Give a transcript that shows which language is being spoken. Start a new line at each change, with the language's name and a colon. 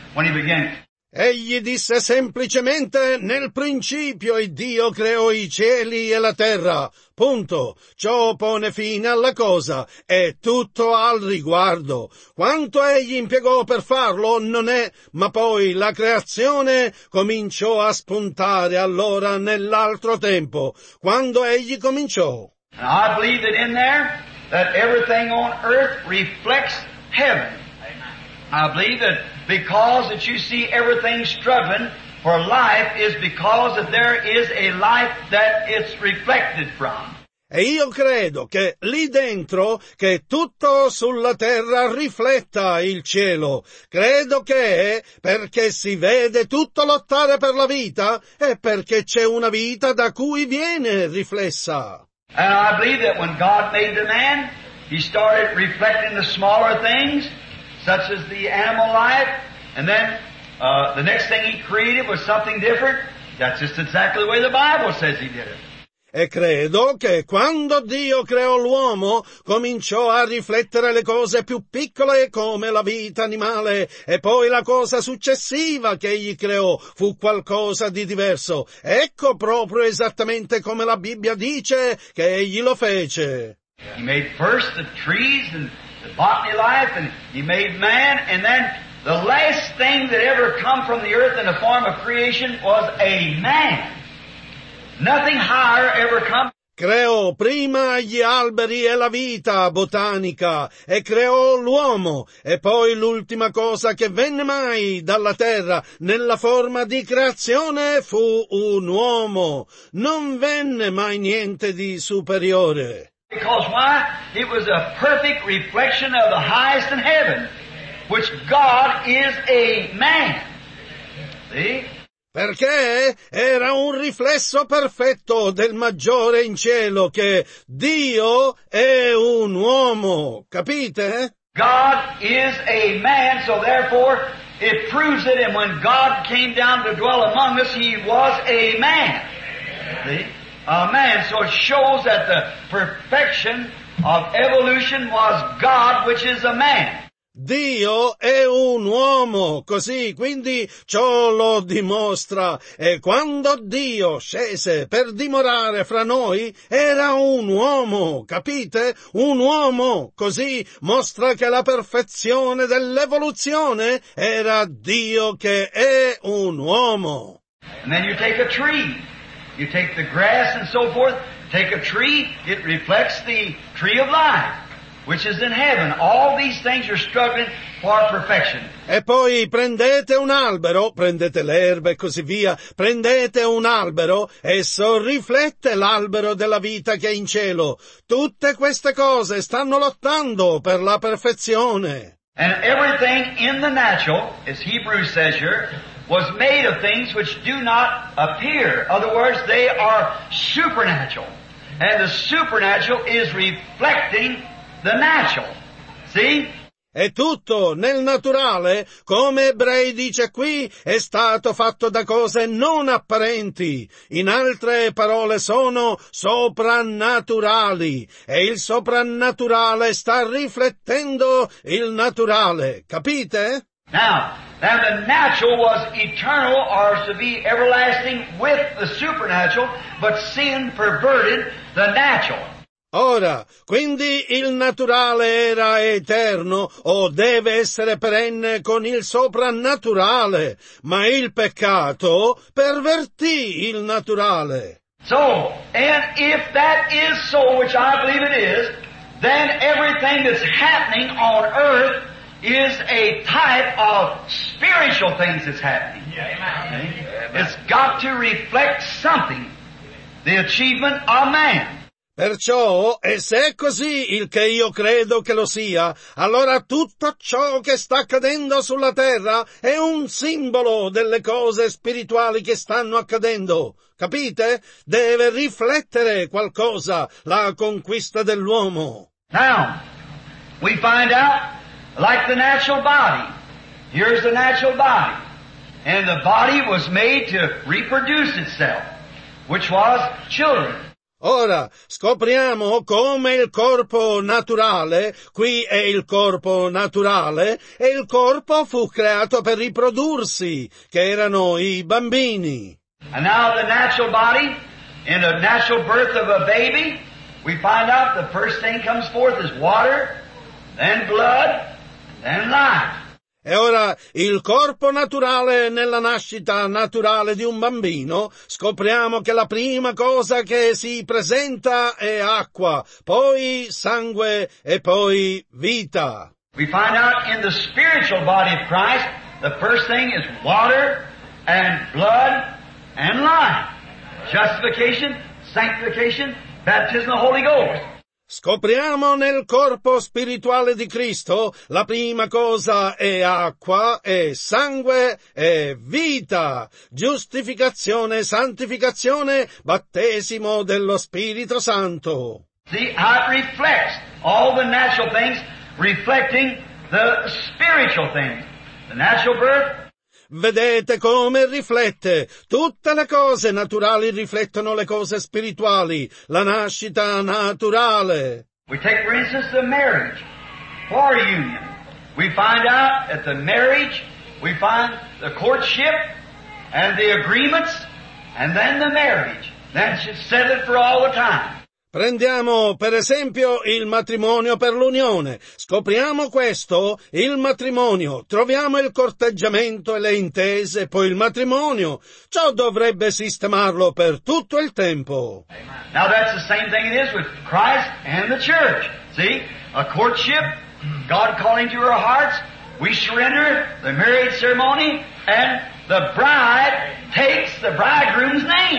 English: When he began...
Italian: Egli disse semplicemente, nel principio Dio creò i cieli e la terra. Punto. Ciò pone fine alla cosa. È tutto al riguardo. Quanto egli impiegò per farlo non è, ma poi la creazione cominciò a spuntare allora nell'altro tempo. Quando egli cominciò?
English: I believe that in there, that everything on earth reflects heaven. I believe that because that you see everything struggling for life is because that there is a life that it's reflected from.
Italian: E io credo che lì dentro, che tutto sulla terra rifletta il cielo. Credo che è perché si vede tutto lottare per la vita e perché c'è una vita da cui viene riflessa.
English: And I believe that when God made the man, he started reflecting the smaller things, such as the animal life, and then the next thing he created was something different. That's just exactly the way the Bible says he did it.
Italian: E credo che quando Dio creò l'uomo, cominciò a riflettere le cose più piccole come la vita animale, e poi la cosa successiva che egli creò fu qualcosa di diverso. Ecco proprio esattamente come la Bibbia dice che egli lo fece.
English: He made first the trees and the botany life, and he made man, and then the last thing that ever come from the earth in the form of creation was a man. Nothing higher ever come.
Italian: Creò prima gli alberi e la vita botanica, e creò l'uomo, e poi l'ultima cosa che venne mai dalla terra nella forma di creazione fu un uomo. Non venne mai niente di superiore.
English: Because why? It was a perfect reflection of the highest in heaven, which God is a man. See?
Italian: Perché era un riflesso perfetto del maggiore in cielo, che Dio è un uomo. Capite?
English: God is a man, so therefore it proves it, and when God came down to dwell among us, he was a man. See? A man, so it shows that the perfection of evolution was God, which is a man.
Italian: Dio è un uomo, così, quindi ciò lo dimostra. E quando Dio scese per dimorare fra noi, era un uomo, capite? Un uomo, così mostra che la perfezione dell'evoluzione era Dio che è un uomo.
English: And then you take a tree, you take the grass and so forth, take a tree, it reflects the tree of life, which is in heaven. All these things are struggling for perfection.
Italian: E poi prendete un albero, prendete l'erba e così via, prendete un albero, esso riflette l'albero della vita che è in cielo. Tutte queste cose stanno lottando per la perfezione.
English: And everything in the natural, as Hebrews says here, was made of things which do not appear. In other words, they are supernatural. And the supernatural is reflecting the natural. See?
Italian: E tutto nel naturale, come Ebrei dice qui, è stato fatto da cose non apparenti. In altre parole, sono soprannaturali. E il soprannaturale sta riflettendo il naturale. Capite?
English: Now the natural was eternal, or to be everlasting with the supernatural, but sin perverted the natural.
Italian: Ora, quindi il naturale era eterno, o deve essere perenne con il soprannaturale, ma il peccato pervertì il naturale.
English: So, and if that is so, which I believe it is, then everything that's happening on earth is a type of spiritual things that's happening. Amen. It's got to reflect something, the achievement of man.
Italian: Perciò, e se è così il che io credo che lo sia, allora tutto ciò che sta accadendo sulla terra è un simbolo delle cose spirituali che stanno accadendo. Capite? Deve riflettere qualcosa la conquista dell'uomo.
English: Now, we find out, like the natural body. Here's the natural body. And the body was made to reproduce itself, which was children.
Italian: Ora, scopriamo come il corpo naturale, qui è il corpo naturale, e il corpo fu creato per riprodursi, che erano i bambini.
English: And now the natural body, in the natural birth of a baby, we find out the first thing comes forth is water, then blood, then life.
Italian: E ora, il corpo naturale nella nascita naturale di un bambino, scopriamo che la prima cosa che si presenta è acqua, poi sangue e poi vita.
English: We find out in the spiritual body of Christ, the first thing is water and blood and life. Justification, sanctification, baptism of the Holy Ghost.
Italian: Scopriamo nel corpo spirituale di Cristo, la prima cosa è acqua, è sangue, è vita, giustificazione, santificazione, battesimo dello Spirito Santo.
English: See how it reflects all the natural things, reflecting the spiritual things, the natural birth.
Italian: Vedete come riflette. Tutte le cose naturali riflettono le cose spirituali. La nascita naturale.
English: We take, for instance, the marriage. For union. We find out at the marriage, we find the courtship and the agreements, and then the marriage. That should set it for all the time.
Italian: Prendiamo per esempio il matrimonio per l'unione. Scopriamo questo, il matrimonio. Troviamo il corteggiamento e le intese, poi il matrimonio. Ciò dovrebbe sistemarlo per tutto il tempo.
English: Now that's the same thing it is with Christ and the church. See? A courtship, God calling to our hearts, we surrender the marriage ceremony and the bride takes the bridegroom's name.